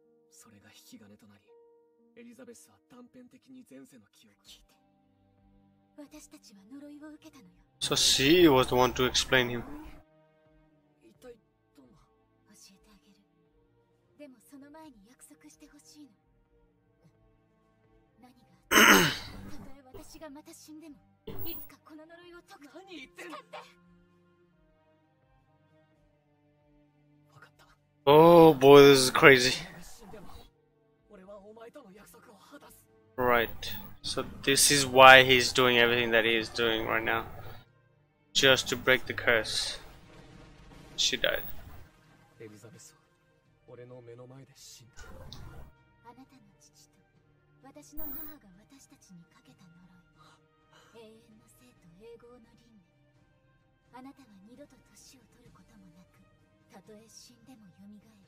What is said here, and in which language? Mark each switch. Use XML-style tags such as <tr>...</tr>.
<ja>それが引き金となり、エリザベスは断片的に前世の記憶を聞いて、私たちは呪いを受けたのよ。</ja> <en>So she was the one to explain him.</en> <ja>一体どんな？教えてあげる。でもその前に約束してほしいの。何が？たとえ私がまた死んでも。いつかこの呪いを解く。何言ってんの？使って。わかった。</ja> <en>Oh boy, this is crazy.</en> <ja>死んでも俺はお前との約束を果たす。</ja> <en>Right. So this is why he's doing everything that he is doing right now. Just to break the curse. She died.</en> <ja>エリザベスは俺の目の前で死んだ。あなたの父と私の母が私たちにかけた呪い。永遠の生と永劫の輪廻、あなたは二度と年を取ることもなく、たとえ死んでも蘇る。</ja>